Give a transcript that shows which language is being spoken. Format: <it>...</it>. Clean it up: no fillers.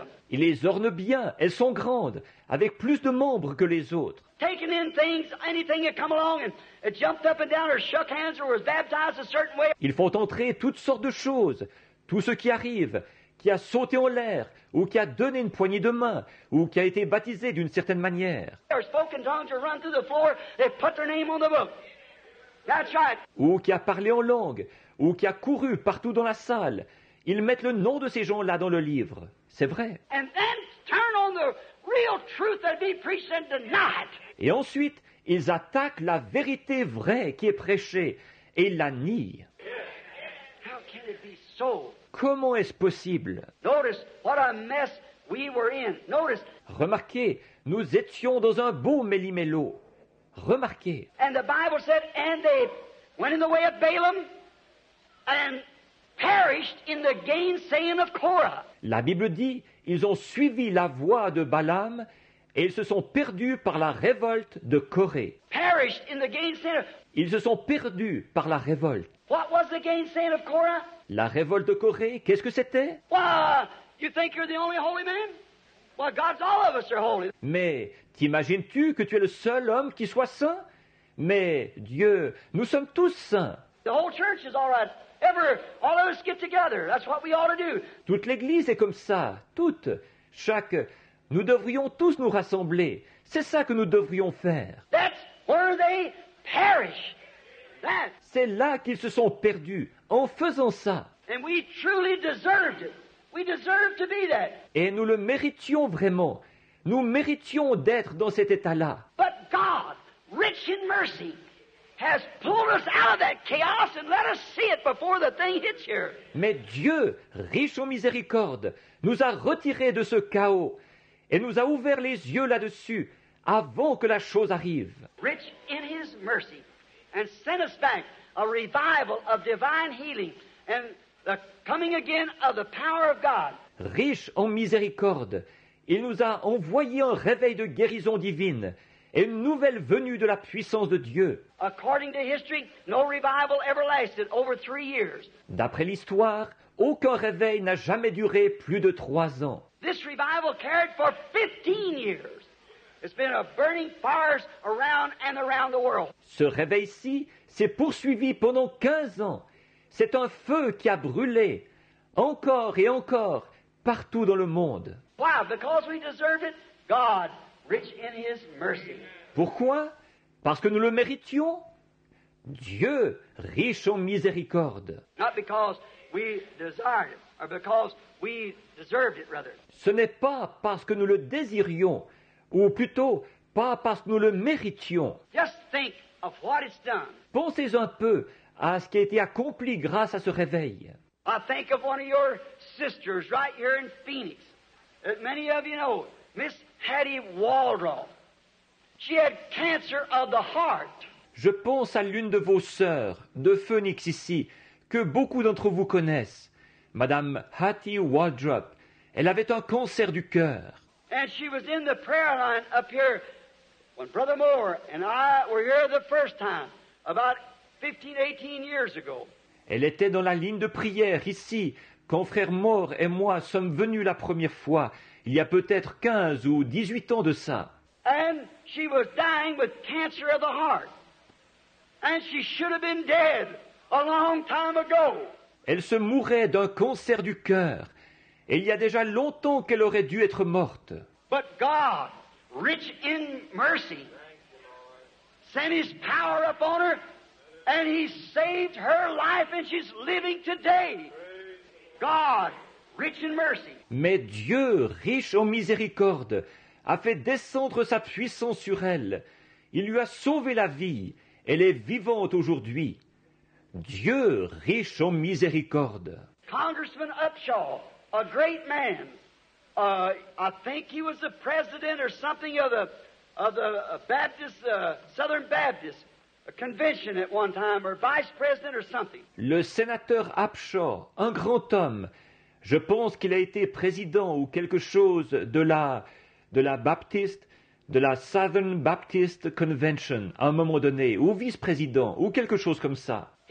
<fr>Ils les ornent bien, elles sont grandes, avec plus de membres que les autres.</fr> <en>Taking in things, anything that come along and jumped up and down or shook hands or was baptized a certain way.</en> <fr>Ils font entrer toutes sortes de choses, tout ce qui arrive, qui a sauté en l'air, ou qui a donné une poignée de main, ou qui a été baptisé d'une certaine manière.</fr> <en>Or spoken tongues or run through the floor, they put their name on the book. That's right.</en> <fr>Ou qui a parlé en langue, ou qui a couru partout dans la salle. Ils mettent le nom de ces gens-là dans le livre. C'est vrai.</fr> <en>And then turn on the real truth that be preached and denied.</en> <fr>Et ensuite, ils attaquent la vérité vraie qui est prêchée et la nient.</fr> <en>How can it be so?</en> <fr>Comment est-ce possible?</fr> <en>Notice what a mess we were in. Notice.</en> <fr>Remarquez, nous étions dans un beau méli-mélo. Remarquez.</fr> <en>And the Bible said, and they went in the way of Balaam and perished in the gainsaying of Korah.</en> <fr>La Bible dit, ils ont suivi la voie de Balaam et ils se sont perdus par la révolte de Corée.</fr> <en>Perished in the gainsaying of...</en> <fr>Ils se sont perdus par la révolte.</fr> <en>What was the gainsaying of Korah?</en> <fr>La révolte de Corée, qu'est-ce que c'était?</fr> <en>Well, you think you're the only holy man? Well, God's all of us are holy.</en> <fr>Mais t'imagines-tu que tu es le seul homme qui soit saint? Mais Dieu, nous sommes tous saints.</fr> <en>The whole church is all right. All of us get together. That's what we ought to do.</en> <fr>Toute l'église est comme ça. Toute. Chaque. Nous devrions tous nous rassembler. C'est ça que nous devrions faire.</fr> <en>That's where they perish. That.</en> <fr>C'est là qu'ils se sont perdus. En faisant ça.</fr> <en>And we truly deserved it. We deserve to be that.</en> <fr>Et nous le méritions vraiment. Nous méritions d'être dans cet état-là.</fr> <en>But God, rich in mercy, has pulled us out of that chaos and let us see it before the thing hits here.</en> <fr>Mais Dieu, riche en miséricorde, nous a retirés de ce chaos et nous a ouvert les yeux là-dessus avant que la chose arrive.</fr> <en>Rich in his mercy and sent us back a revival of divine healing and the coming again of the power of God.</en> <fr>Riche en miséricorde, il nous a envoyé un réveil de guérison divine et une nouvelle venue de la puissance de Dieu.</fr> <en>According to history, no revival ever lasted over 3 years.</en> <fr>D'après l'histoire, aucun réveil n'a jamais duré plus de 3 ans.</fr> <en>This revival carried for 15 years. It's been a burning fires around and around the world.</en> <fr>Ce réveil-ci s'est poursuivi pendant 15 ans. C'est un feu qui a brûlé encore et encore partout dans le monde.</fr> <en>Why? Because we deserve it, God. Rich in his mercy.</en> <fr>Pourquoi? Parce que nous le méritions? Dieu, riche en miséricorde.</fr> <en>Not because we desired it, or because we deserved it, rather.</en> <fr>Ce n'est pas parce que nous le désirions, ou plutôt, pas parce que nous le méritions.</fr> <en>Just think of what it's done.</en> <fr>Pensez un peu à ce qui a été accompli grâce à ce réveil.</fr> <en>I think of one of your sisters right here in Phoenix. That many of you know, Miss Hattie Waldron. She had cancer of the heart.</en> <fr>Je pense à l'une de vos sœurs de Phoenix ici, que beaucoup d'entre vous connaissent, Madame Hattie Waldron. Elle avait un cancer du cœur.</fr> <en>And she was in the prayer line up here when Brother Moore and I were here the first time, about 15-18 years ago.</en> <fr>Elle était dans la ligne de prière ici quand Frère Moore et moi sommes venus la première fois. Il y a peut-être 15 ou 18 ans de ça.</fr> <en>And she was dying with cancer of the heart. And she should have been dead a long time ago.</en> <fr>Elle se mourait d'un cancer du cœur. Et il y a déjà longtemps qu'elle aurait dû être morte.</fr> <en>But God, rich in mercy, sent his power upon her and he saved her life and she's living today. God, rich in mercy.</en> <fr>Mais Dieu, riche en miséricorde, a fait descendre sa puissance sur elle. Il lui a sauvé la vie. Elle est vivante aujourd'hui. Dieu, riche en miséricorde.</fr> <en>Congressman Upshaw, a great man. I think he was the president or something of the Baptist, Southern Baptist Convention at one time, or vice president or something.</en> <fr>Le sénateur Upshaw, un grand homme. Je pense qu'il a été président ou quelque chose de la Baptiste, de la Southern Baptist Convention à un moment donné, ou vice-président, ou quelque chose comme ça.</fr>